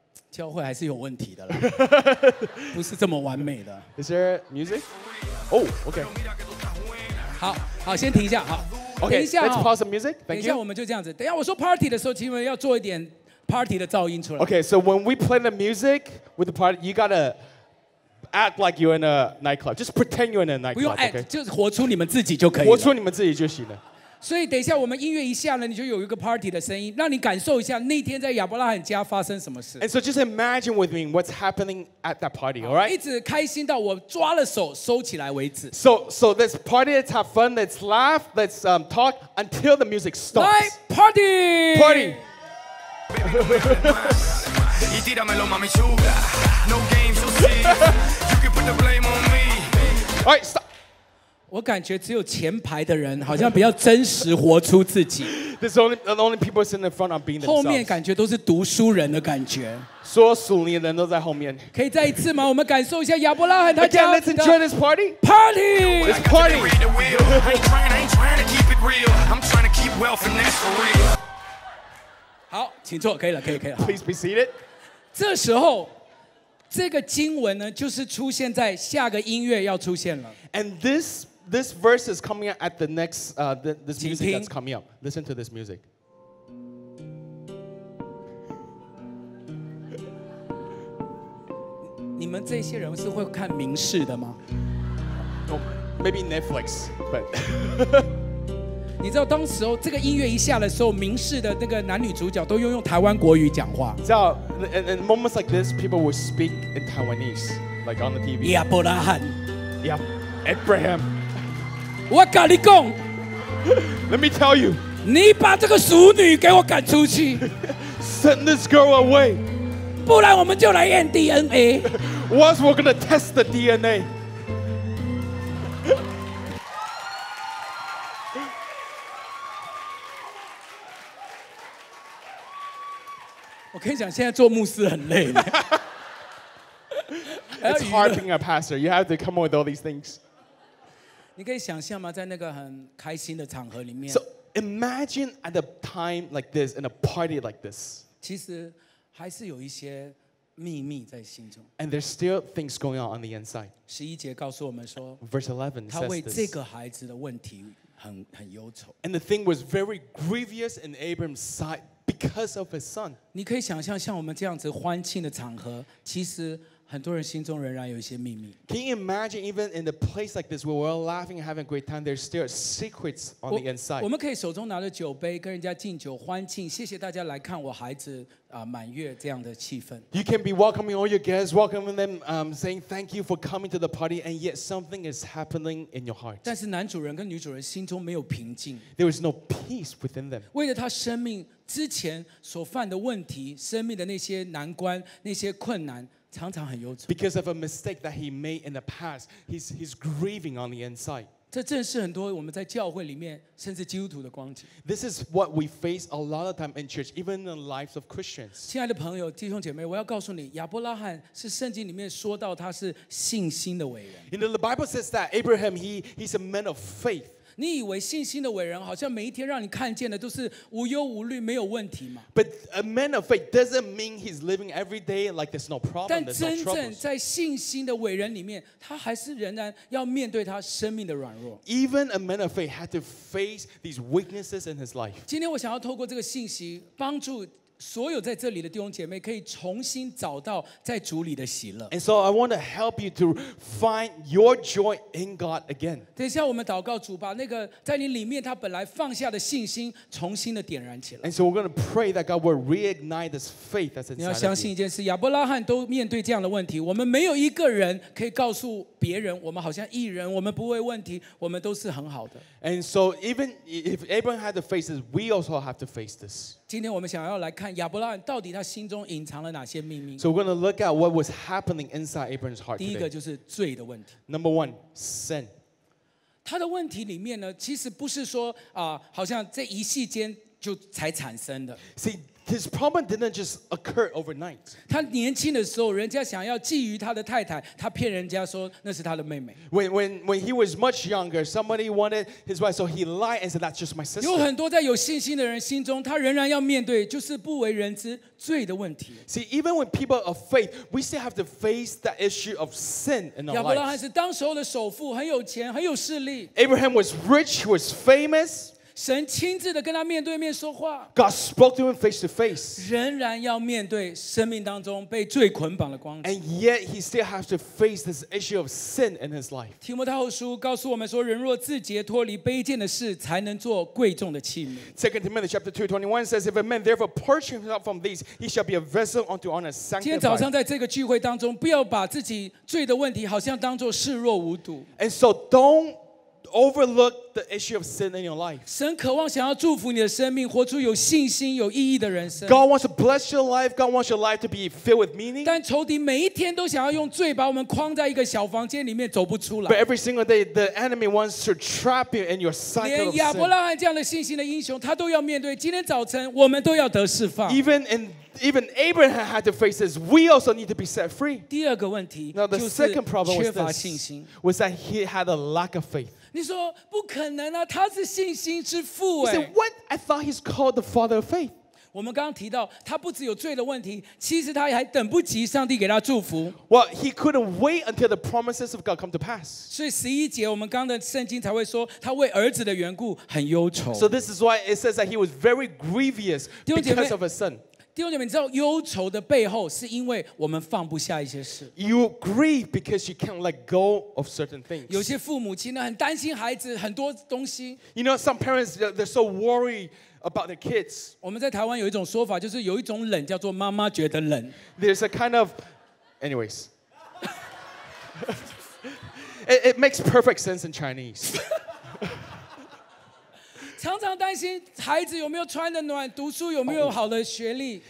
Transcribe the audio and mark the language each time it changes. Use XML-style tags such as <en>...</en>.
<zh>教会还是有问题的啦，不是这么完美的。</zh> <en>Is there music? Oh, okay.</en> <zh>好好，先停一下，好。</zh> <en>Okay,</en> <zh>停一下、哦、</zh> <en>let's pause the music. Thank you.</en> <zh>等一下，我们就这样子。等一下，我说 party 的时候，请问要做一点 party 的噪音出来。</zh> <en>Okay, so when we play the music with the party, you gotta act like you're in a nightclub. Just pretend you're in a nightclub.</en> <zh>不用 act，、okay? 就活出你们自己就可以了。活出你们自己就行了。所以等一下我们音乐一下了，你就有一个 party 的声音，让你感受一下那天在亚伯拉罕家发生什么事。</zh> <en>And so just imagine with me what's happening at that party, all right?</en> <zh>一直开心到我抓了手收起来为止。</zh> <en>So this party, let's have fun, let's laugh, let's talk until the music stops.</en> <zh>来 party!</zh> <en>Party!</en> <es>Y tíramelo, mami chula.</es> <en>No games, you see. You can put the blame on me. All right, stop.</en> <zh>我感觉只有前排的人好像比较真实活出自己。</zh> <en>There's only the only people sitting in front are being themselves.</en> <zh>后面感觉都是读书人的感觉。所有属灵的人都在后面。可以再一次吗？我们感受一下亚伯拉罕他家的。</zh> <en>Again, let's enjoy this party. Party. This party. I ain't trying to keep it real. I'm trying to keep wealth and that's for real.</en> <zh>好，请坐，可以了，可以，可以了。</zh> <en>Please be seated.</en> <zh>这时候。这个经文呢，就是出现在下个音乐要出现了。</zh> <en>And this verse is coming out at the next this music that's coming up. Listen to this music.</en> <zh>你们这些人是会看明视的吗？</zh> <en>Oh, maybe Netflix, but.</en> <zh>你知道当时候这个音乐一下的时候，明视的那个男女主角都用台湾国语讲话。知道</zh> <en>，in moments like this, people would speak in Taiwanese, like on the TV.</en> <zh>亚伯拉罕</zh> <en>，Yeah, Abraham.</en> <zh>我跟你讲</zh> <en>，Let me tell you.</en> <zh>你把这个俗女给我赶出去</zh> <en>，Send this girl away.</en> <zh>不然我们就来验 DNA.</zh> <en>Once we're gonna test the DNA.</en> <zh>我跟你讲，现在做牧师很累。</zh> <en>It's hard being a pastor. You have to come up with all these things.</en> <zh>你可以想象吗？在那个很开心的场合里面。</zh> <en>So imagine at a time like this, in a party like this.</en> <zh>其实还是有一些秘密在心中。</zh> <en>And there's still things going on the inside.</en> <zh>十一节告诉我们说</zh> <en>，Verse 11 says this.</en> <zh>他为这个孩子的问题很忧愁。</zh> <en>And the thing was very grievous in Abram's sight. Because of his son,</en> <zh>你可以想象像我们这样子欢庆的场合，其实很多人心中仍然有一些秘密。</zh> <en>Can you imagine even in a place like this where we're all laughing and having a great time, there's still secrets on the inside?</en> <zh>我们可以手中拿着酒杯跟人家敬酒欢庆，谢谢大家来看我孩子啊满月这样的气氛。</zh> <en>You can be welcoming all your guests, welcoming them, saying thank you for coming to the party, and yet something is happening in your heart.</en> <zh>但是男主人跟女主人心中没有平静。</zh> <en>There is no peace within them.</en> <zh>为了他生命。之前所犯的问题，生命的那些难关，那些困难，常常很忧愁。</zh> <en>Because of a mistake that he made in the past, he's grieving on the inside.</en> <zh>这正是很多我们在教会里面，甚至基督徒的光景。</zh> <en>This is what we face a lot of time in church, even in the lives of Christians.</en> <zh>亲爱的朋友，弟兄姐妹，我要告诉你，亚伯拉罕是圣经里面说到他是信心的伟人。</zh> <en>You know, the Bible says that Abraham, he's a man of faith.</en> <zh>你以为信心的伟人好像每一天让你看见的都是无忧无虑没有问题吗</zh> <en>But a man of faith doesn't mean he's living every day like there's no problem, there's no</en> <zh>但真正在信心的伟人里面他还是仍然要面对他生命的软弱</zh> <en>Even a man of faith had to face these weaknesses in his life.</en> <zh>今天我想要透过这个信息帮助所有在这里的弟兄姐妹可以重新找到在主里的喜乐。</zh> <en>And so I want to help you to find your joy in God again.</en> <zh>等一下我们祷告主把那个在你里面他本来放下的信心重新的点燃起来。</zh> <en>And so we're going to pray that God will reignite this faith that's inside.</en> <zh>你要相信一件事，亚伯拉罕都面对这样的问题，我们没有一个人可以告诉别人我们好像义人，我们不会问题，我们都是很好的。</zh> <en>And so even if Abraham had to face this, we also have to face this.</en> <zh>今天我们想要来看亚伯拉罕到底他心中隐藏了哪些秘密。</zh> <en>So we're going to look at what was happening inside Abraham's heart.</en> <zh>第一个就是罪的问题。</zh> <en>Number one, sin.</en> <zh>他的问题里面呢，其实不是说啊，好像这一夕间就才产生的。</zh> <en>See, his problem didn't just occur overnight.</en> <zh>他年轻的时候，人家想要觊觎他的太太，他骗人家说那是他的妹妹。</zh> <en>When he was much younger, somebody wanted his wife, so he lied and said that's just my sister.</en> <zh>有很多在有信心的人心中，他仍然要面对就是不为人知罪的问题。</zh> <en>See, even with people of faith, we still have to face that issue of sin in our lives.</en> <zh>亚伯拉罕是当时候的首富，很有钱，很有势力。</zh> <en>Abraham was rich, he was famous.</en> <zh>神亲自的跟他面对面说话。</zh> <en>God spoke to him face to face.</en> <zh>仍然要面对生命当中被罪捆绑的光景。</zh> <en>And yet he still has to face this issue of sin in his life.</en> <zh>提摩太后书告诉我们说，人若自洁脱离卑贱的事，才能做贵重的器皿。</zh> <en>Second Timothy chapter 2:21 says, if a man therefore purge himself from these, he shall be a vessel unto honor, sanctified.</en> <zh>今天早上在这个聚会当中，不要把自己罪的问题好像当作视若无睹。</zh> <en>And so don't overlook. the issue of sin in your life.</en> <zh>神渴望想要祝福你的生命，活出有信心、有意义的人生。</zh> <en>God wants to bless your life. God wants your life to be filled with meaning.</en> <zh>但仇敌每一天都想要用罪把我们框在一个小房间里面，走不出来。</zh> <en>But every single day, the enemy wants to trap you in your cycle of sin.</en> <zh>连亚伯拉罕这样的信心的英雄，他都要面对。今天早晨，我们都要得释放。</zh> <en>Even Abraham had to face this. We also need to be set free.</en> <zh>第二个问题</zh> <en>Now, the second problem was this, was that he had a lack of faith.</en> <zh>你说不可能啊，他是信心之父。</zh> <en>He said, what? I thought he's called the father of faith.</en> <zh>我们刚刚提到，他不只有罪的问题，其实他还等不及上帝给他祝福。</zh> <en>Well, he couldn't wait until the promises of God come to pass.</en> <zh>所以十一节，我们刚刚的圣经才会说，他为儿子的缘故很忧愁。</zh> <en>So this is why it says that he was very grievous because of his son.</en> <zh>弟兄姐妹，你知道忧愁的背后，是因为我们放不下一些事。</zh> <en>You grieve because you can't let go of certain things.</en> <zh>有些父母亲呢，很担心孩子很多东西。</zh> <en>You know, some parents they're so worried about their kids.</en> <zh>我们在台湾有一种说法，就是有一种冷叫做妈妈觉得冷。</zh> <en>There's a kind of, anyways, it makes perfect sense in Chinese.</en> <zh>常常担心孩子有没有穿得暖，读书有没有好的学历。</zh>